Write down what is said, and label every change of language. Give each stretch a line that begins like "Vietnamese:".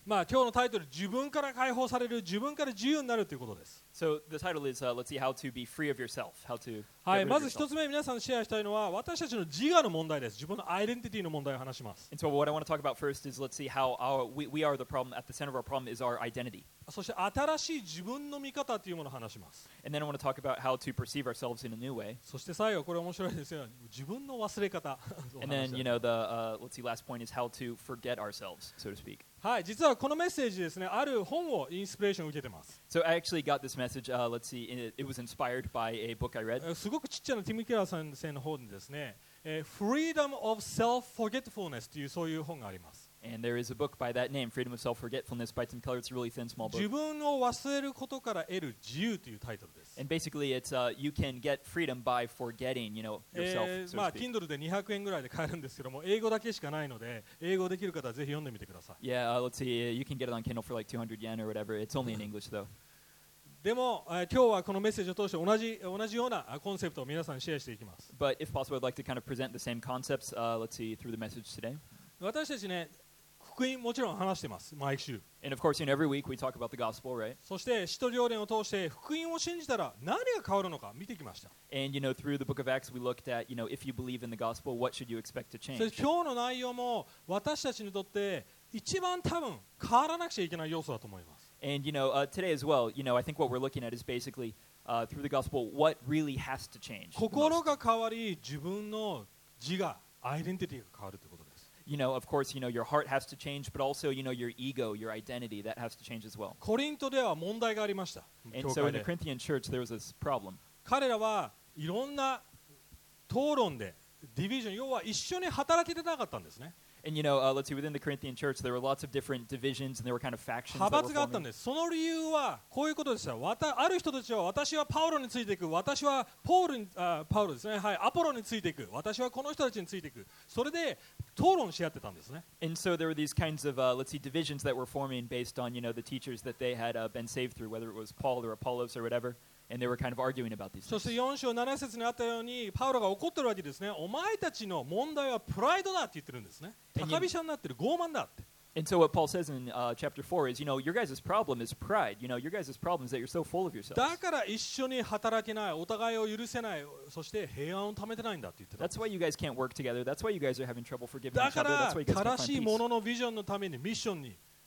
Japanese: まあ今日のタイトル、自分から解放される、自分から自由になるということです。
English: So the title is let's see how to be free of yourself, how to get rid of yourself.
Japanese: はい、まず一つ目皆さんシェアしたいのは私たちの自我の問題です。自分のアイデンティティの問題を話します。
English: And so what I want to talk about first is let's see how our, we are the problem, at the center of our problem is our identity.
Japanese: そして新しい自分の見方というものを話します。
English: And then I want to talk about how to perceive ourselves in a new way.
Japanese: そして最後これ面白いですよ、自分の忘れ方。
English: And then you know the let's see last point is how to forget ourselves, so to speak.
Japanese: はい、実はこのメッセージですね、ある本をインスピレーションを受けてます。
English: So I actually got this message let's see, it was inspired by a book I read.
Japanese: すごくちっちゃなティム・ケラー先生の本ですね、Freedom of Self-Forgetfulness というそういう本があります。
English: And there is a book by that name, Freedom of Self-Forgetfulness, by Tim Keller. It's a really thin, small book.
Japanese: 自分を忘れることから得る自由というタイトルです。
English: And basically, it's you can get freedom by forgetting, you know, yourself.
Japanese: まあ、Kindle で200円ぐらいで買えるんですけども、英語だけしかないので、英語できる方はぜひ読んでみてください。
English: Yeah, let's see. You can get it on Kindle for like 200 yen or whatever. It's only in English, though.
Japanese: でも、今日はこのメッセージを通して同じようなコンセプトを皆さんシェアしていきます。
English: But if possible, I'd like to kind of present the same concepts, let's see, through the message today.
Japanese: 私たちね、福音もちろん話してます、毎週。
English: And of course, you know, every week we talk about the gospel, right?
Japanese: そして使徒行伝を通して福音を信じたら何が変わるのか見てきました。
English: And you know, through the book of Acts, we looked at, you know, if you believe in the gospel, what should you expect to change?
Japanese: 今日の内容も私たちにとって一番多分変わらなくちゃいけない要素だと思います。
English: And you know, today as well, you know, I think what we're looking at is basically, through the gospel, what really has to change.
Japanese: 心が変わり、自分の自我、アイデンティティが変わるということ。
English: You know, of course, you know, your heart has to change, but also, you know, your ego, your identity, that has to change as well.
Japanese: コリントでは問題がありました。
English: And so in the Corinthian church, there was this problem.
Japanese: 彼らはいろんな討論で、ディビジョン、要は一緒に働けてなかったんですね。
English: And you know, let's see, within the Corinthian church, there were lots of different divisions and there were kind of factions that were forming.
Japanese: 派閥があったんです。その理由はこういうことでした。ある人たちは私はパウロについていく。私はパウロですね。はい、アポロについていく。私はこの人たちについていく。それで討論し合ってたんですね。
English: And so there were these kinds of, let's see, divisions that were forming based on, you know, the teachers that they had been saved through, whether it was Paul or Apollos or whatever. And they were kind of arguing about these things.
Japanese: そして4章7節にあったようにパウロが怒ってるわけですね。お前たちの問題はプライドだって言ってるんですね。高飛車になってる、傲慢だって。
English: And so what Paul says in chapter 4 is, you know, your guys' problem is pride. You know, your guys' problem is that you're so full of yourselves.
Japanese: だから一緒に働けない、お互いを許せない、そして平安を保てないんだって言ってた。
English: That's why you guys can't work together. That's why you guys are having trouble forgiving each other. That's why you guys can't find peace.
Japanese: だから正しいもののビジョンのために、ミッションに。